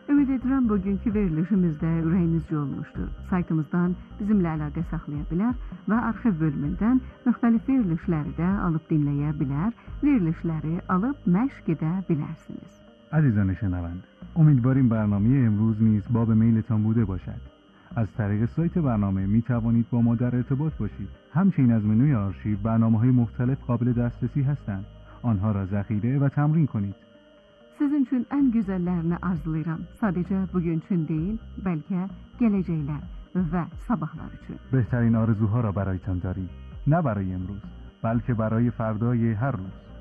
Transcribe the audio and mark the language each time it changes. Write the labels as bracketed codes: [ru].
[az] Ümid edirəm bugünkü verilişimizdə ürəyinizcə olmuşdur. Saytımızdan bizimlə əlaqə saxlaya bilər və arxiv bölümündən müxtəlif verilişləri də alıb dinləyə bilər, verilişləri alıb məşq edə bilərsiniz. [fa] عزیزان شنوند، امیدواریم برنامه امروز نیز باب میلتان بوده باشد. از طریق سایت برنامه می توانید با ما در ارتباط باشید. همچنین از منوی آرشیو برنامه های مختلف قابل دسترسی هستند. آنها را ذخیره و تمرین کنید. [az] sizin için en güzellerini arzulayıram. Sadece bugün için değil, belki gelecekler ve sabahlar için. [fa] بهترین آرزوها را برایتان داریم. نه برای امروز، بلکه برای فردای هر روز.